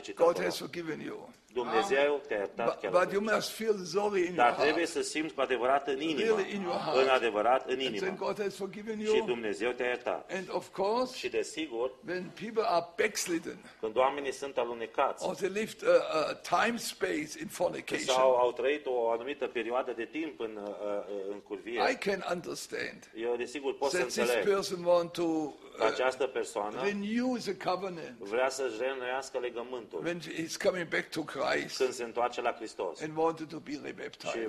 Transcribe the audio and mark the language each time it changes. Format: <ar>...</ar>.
<ro>citatul. Dumnezeu te-a iertat chiar.</ro> <en>But you must feel sorry in</en> <ro>dar trebuie să simți cu adevărat în inima,</ro> <en>really in your heart,</en> <ro>în adevărat în inima.</ro> <en>And God has forgiven you.</en> <ro>Și Dumnezeu te-a iertat.</ro> <en>And of course,</en> <ro>și desigur,</ro> <en>when people are backslidden,</en> <ro>când oamenii sunt alunecați,</ro> <en>or they lived a time space in fornication,</en> <ro>sau au trăit o anumită perioadă de timp în curvie,</ro> <en>I can understand.</en> <ro>Eu desigur pot să înțeleg.</ro> <en>This person want to</en> <ro>această persoană</ro> <en>renew the covenant.</en> <ro>Vrea să-și reînnoiască legământul.</ro> <en>When he's coming back to Christ. Christ</en> <ro>când se întoarce la Hristos</ro> <en>and wanted to be rebaptized.</en>